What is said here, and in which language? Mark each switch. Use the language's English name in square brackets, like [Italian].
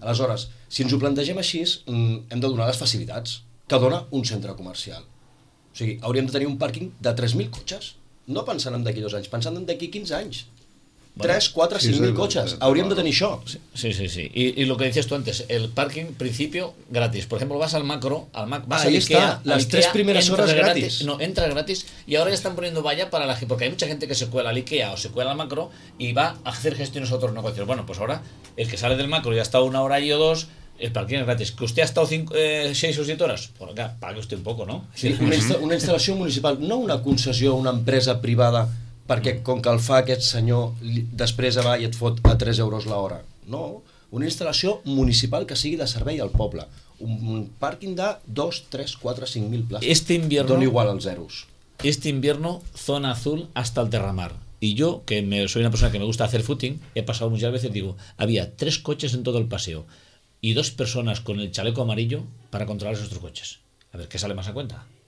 [Catalan] Aleshores, si ens ho plantegem així, hem de donar les facilitats que dona un centre comercial. O sigui, hauríem de tenir un pàrquing de 3.000 cotxes, no pensant en d'aquí 2 anys, pensant en d'aquí 15 anys. Bueno, 3, 4, 5.000 cotxes, hauríem de tenir això. [Spanish] Sí, sí, sí. I lo que dices tú antes, el pàrquing, principio, gratis. Por ejemplo, vas al Macro, al Mac, vas a Ikea... Ahí está, las 3 primeras horas gratis. No, entras gratis, y ahora ya están poniendo valla para la gente, porque hay mucha gente que se cuela al Ikea o se cuela al Macro y va a hacer gestiones a otros negocios. Bueno, pues ahora, el que sale del Macro y ha estado una hora y o dos, el pàrquing es gratis. Que usted ha estado 6 o 7 horas, por acá, pague usted un poco, ¿no? [Catalan] Sí, una instal·lació municipal, no una concessió, una empresa privada, perquè com que el fa aquest senyor després va i et fot a 3 euros l'hora. No, una instal·lació municipal que sigui de servei al poble, un pàrquing de 2, 3, 4, 5.000 places. [Spanish] Este invierno, [Catalan] dona igual als zeros. [Spanish] Este invierno, zona azul hasta el terramar. Y yo, que soy una persona que me gusta hacer footing, he pasado muchas veces, digo, había 3 coches en todo el paseo y 2 personas con el chaleco amarillo para controlar esos otros coches. A ver, ¿qué sale más a cuenta?